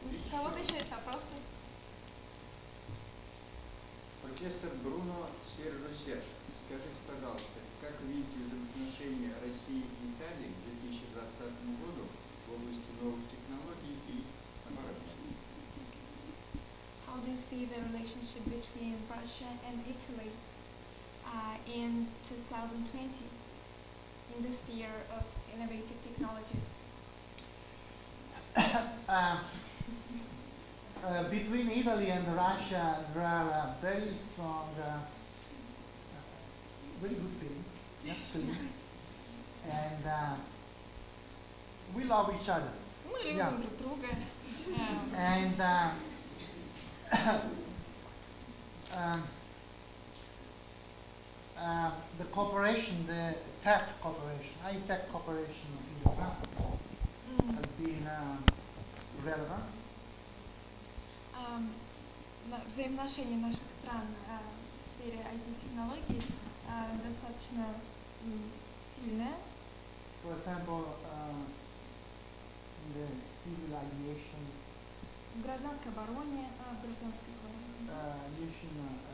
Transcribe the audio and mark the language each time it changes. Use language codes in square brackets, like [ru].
[ru] Кого-то еще есть вопросы? Профессор Бруно Сержусеш, скажите, пожалуйста, как видите взаимоотношения России и Италии в 2020 году в области новых технологий и оборудования? [en] How do you see the relationship between Russia and Italy in 2020, in this year of innovative technologies? Between Italy and Russia, there are very strong, very good feelings, actually. And we love each other. [ru] Мы любим друг друга. [en] And the cooperation, the tech cooperation, high tech cooperation in the past has been relevant. [ru] Взаимоотношения наших стран в сфере IT-технологий достаточно сильные. [en] For example, the civil aviation. [ru] В гражданской обороне, в гражданской обороне.